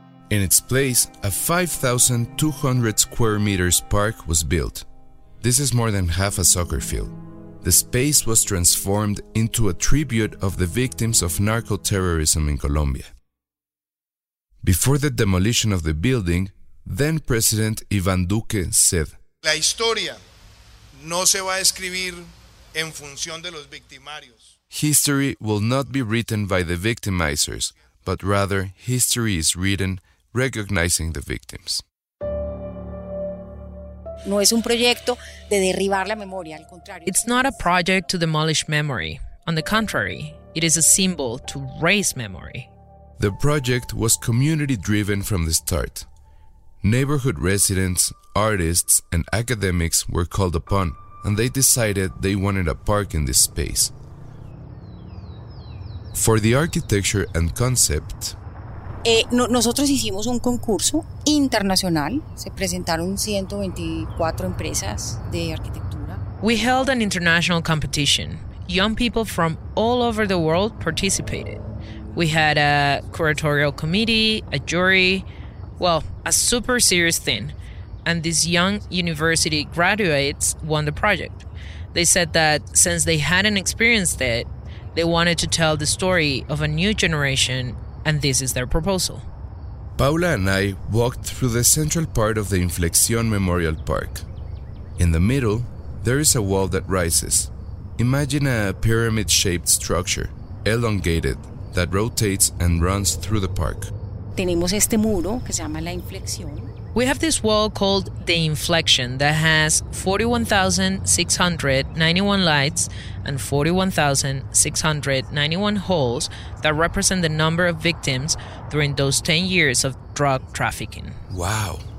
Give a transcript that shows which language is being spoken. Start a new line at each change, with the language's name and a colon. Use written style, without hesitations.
English: In its place, a 5,200 square meters park was built. This is more than half a soccer field. The space was transformed into a tribute of the victims of narco-terrorism in Colombia. Before the demolition of the building, then-president Iván Duque said,
Spanish: La historia no se va a escribir en función de los victimarios.
English: History will not be written by the victimizers, but rather history is written recognizing the victims.
Spanish: No es un proyecto de derribar la memoria, al contrario.
English: It's not a project to demolish memory. On the contrary, it is a symbol to raise memory. The project was community-driven from the start. Neighborhood residents, artists, and academics were called upon, and they decided they wanted a park in this space. For the architecture and concept, Nosotros hicimos un concurso internacional. Se presentaron 124 empresas de arquitectura. We held an international competition. Young people from all over the world participated. We had a curatorial committee, a jury, well, a super serious thing. And these young university graduates won the project. They said that since they hadn't experienced it, they wanted to tell the story of a new generation, and this is their proposal. Paula and I walked through the central part of the Inflexión Memorial Park. In the middle, there is a wall that rises. Imagine a pyramid-shaped structure, elongated, that rotates and runs through the park.
Spanish: Tenemos este muro que se llama la Inflexión.
English: We have this wall called the Inflection that has 41,691 lights and 41,691 holes that represent the number of victims during those 10 years of drug trafficking. Wow.